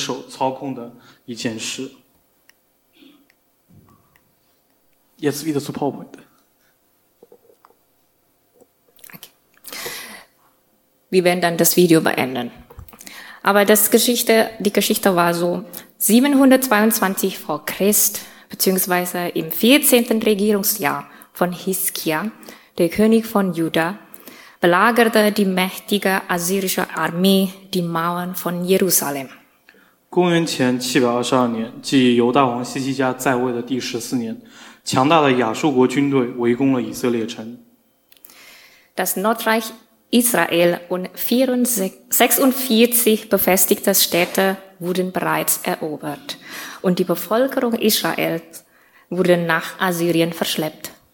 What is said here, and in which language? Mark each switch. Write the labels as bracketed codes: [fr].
[zh] 当以色列人听到这首歌的时候，会想到神大能之手操控的一件事。 [de] Jetzt wieder zu PowerPoint. Okay. Wir werden dann das Video beenden. Aber die Geschichte war so, 722 vor Christ, beziehungsweise im 14. Regierungsjahr von Hiskia, der König von Juda, belagerte die mächtige assyrische Armee die Mauern von Jerusalem. [zh] 公元前722年，即犹大王西西家在位的第14年，强大的亚述国军队围攻了以色列城。 [de] Das Nordreich Israel und 46 befestigte Städte wurden bereits erobert, und die Bevölkerung Israels wurde nach Assyrien verschleppt.